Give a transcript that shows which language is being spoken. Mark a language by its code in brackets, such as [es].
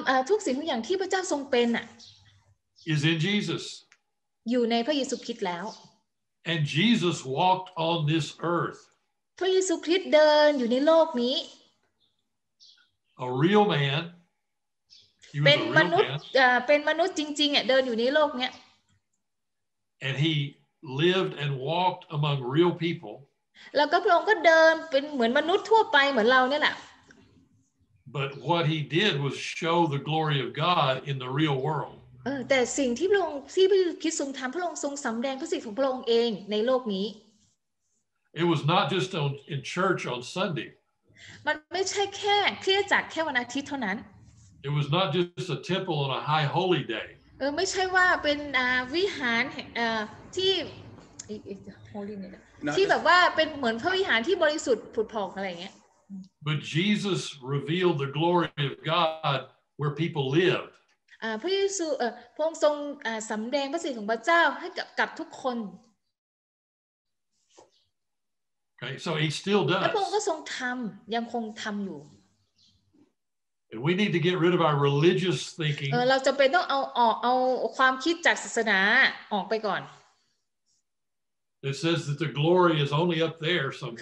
[th] ทุกสิ่งทุกอย่างที่พระเจ้าทรงเป็นน่ะ [en] is in Jesus. [th] อยู่ในพระเยซูคริสต์แล้ว [en] And Jesus walked on this earth. [th] พระเยซูคริสต์เดินอยู่ในโลกนี้ [en] A real man. [th] เป็นมนุษย์จริงๆอ่ะเดินอยู่ในโลกเนี้ย [en] And he lived and walked among real people. [th] แล้วก็พระองค์ก็เดินเป็นเหมือนมนุษย์ทั่วไปเหมือนเราเนี่ยแหละ [en] But what he did was show the glory of God in the real world. [th] แต่สิ่งที่พระองค์ที่พระคริสต์ทรงทำพระองค์ทรงสำแดงพระสิริของพระองค์เองในโลกนี้ [en] It was not just in church on Sunday. [th] มันไม่ใช่แค่คริสตจักรแค่วันอาทิตย์เท่านั้น [en] It was not just a temple on a high holy day. [th] ไม่ใช่ว่าเป็นวิหารที่ holy เนี่ยที่แบบว่าเป็นเหมือนพระวิหารที่บริสุทธิ์ผุดผ่องอะไรอย่างเงี้ย [en] But Jesus revealed the glory of God where people lived. [th] พระเยซูพระองค์ทรงสำแดงพระสิริของพระเจ้าให้กับทุกคน [en] Okay, so he still does. [th] พระองค์ก็ทรงทำยังคงทำอยู่ [en] And we need to get rid of our religious thinking. [th] เราจำเป็นต้องเอาความคิดจากศาสนาออกไปก่อน [en] It says that the glory is only up there somewhere.